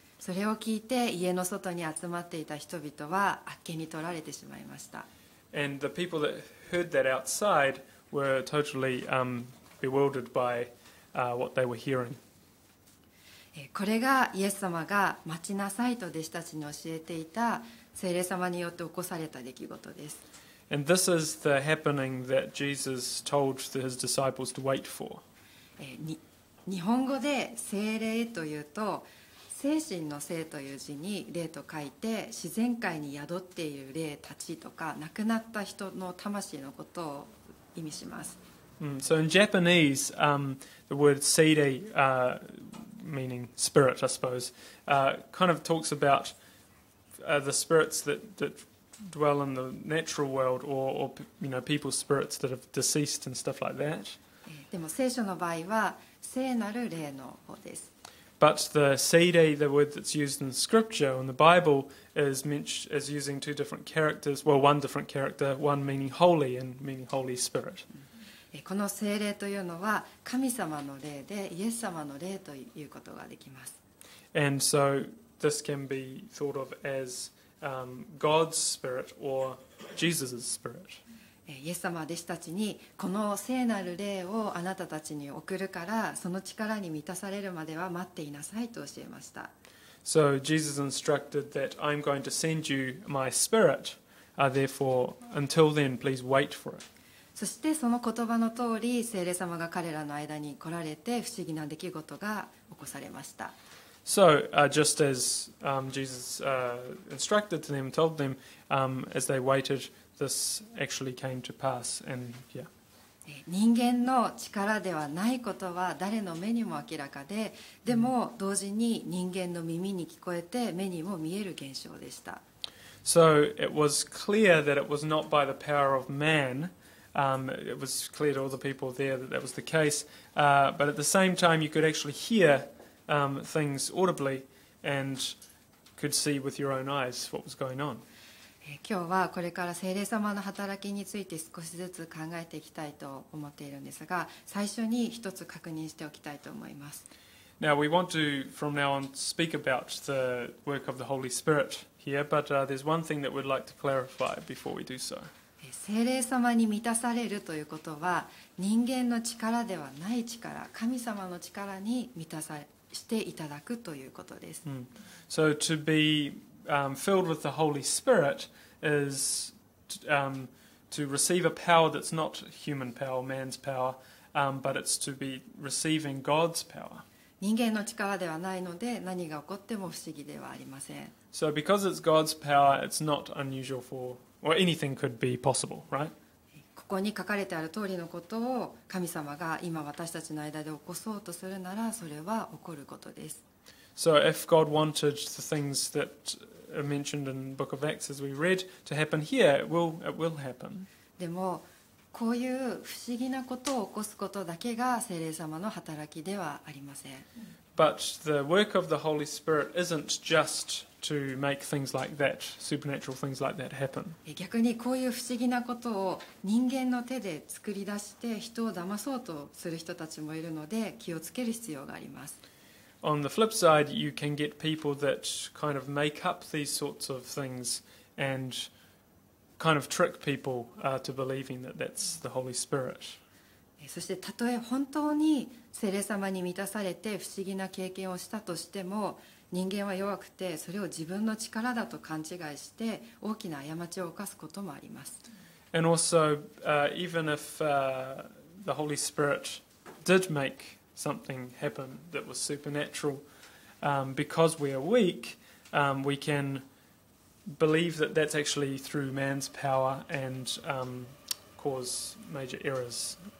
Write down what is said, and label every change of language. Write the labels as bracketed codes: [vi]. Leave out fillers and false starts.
[ja] それを聞いて家の外に集まっていた人々はあっけに取られてしまいました。 [en] And the people that heard that outside were totally bewildered by what they were hearing. [ja] これがイエス様が待ちなさいと弟子たちに教えていた聖霊様によって起こされた出来事です。 [en] And this is the happening that Jesus told his disciples to wait for. [ja] 日本語で聖霊というと精神の聖という字に霊と書いて自然界に宿っている霊たちとか亡くなった人の魂のことを意味します。 [en] So in Japanese, the word seire, meaning spirit, I suppose, kind of talks about the spirits that dwell in the natural world or you know, people's spirits that have deceased and stuff like that. [ja] でも聖書の場合は聖なる霊の方です。 [en] But the seire, the word that's used in scripture, in the Bible, is using two different characters. Well, one different character, one meaning holy and meaning Holy Spirit. [ja] この聖霊というのは神様の霊でイエス様の霊ということができます。 [en] And so this can be thought of as God's spirit or Jesus' spirit. [ja] イエス様は弟子たちにこの聖なる霊をあなたたちに送るからその力に満たされるまでは待っていなさいと教えました。 [en] So Jesus instructed that I'm going to send you my spirit, therefore until then please wait for it. [ja] そしてその言葉の通り聖霊様が彼らの間に来られて不思議な出来事が起こされました。 [en] So, just as Jesus instructed to them, told them, as they waited, this actually came to pass. And yeah. [ja] 人間の力ではないことは誰の目にも明らかで、でも同時に人間の耳に聞こえて目にも見える現象でした。 [en] So it was clear that it was not by the power of man. It was clear to all the people there that that was the case. But at the same time, you could actually hear. Things audibly and could see with your own eyes what was going on. [ja] 今日はこれから聖霊様の働きについて少しずつ考えていきたいと思っているんですが、最初に一つ確認しておきたいと思います。 [en] Now we want to from now on speak about the work of the Holy Spirit here, but there's one thing that we'd like to clarify before we do so. [ja] 聖霊様に満たされるということは人間の力ではない力、神様の力に満たされる。していただくということです。 [en] So to be filled with the Holy Spirit is to receive a power that's not human power, man's power, but it's to be receiving God's power. [ja] 人間の力ではないので何が起こっても不思議ではありません。 [en] So because it's God's power, it's not unusual for, or anything could be possible, right? [ja] ここに書かれてある通りのことを神様が今私たちの間で起こそうとするならそれは起こることです。 [en] So if God wanted the things that are mentioned in the book of Acts as we read to happen here, it will happen. [ja] でもこういう不思議なことを起こすことだけが聖霊様の働きではありません。 [en] But the work of the Holy Spirit isn't justto make things like that, supernatural things like that happen. [ja] 逆にこういう不思議なことを人間の手で作り出して人を騙そうとする人たちもいるので気をつける必要があります。 [en] On the flip side, you can get people that kind of make up these sorts of things and kind of trick people to believing that that's the Holy Spirit. [ja] そしてたとえ本当に聖霊様に満たされて不思議な経験をしたとしても人間は弱くてそれを自分の力だと勘違いして大きな過ちを犯すこともあります。 [en] And also, even if the Holy Spirit did make something happen that was supernatural, because we are weak, we can believe that that's actually through man's power and cause major errors.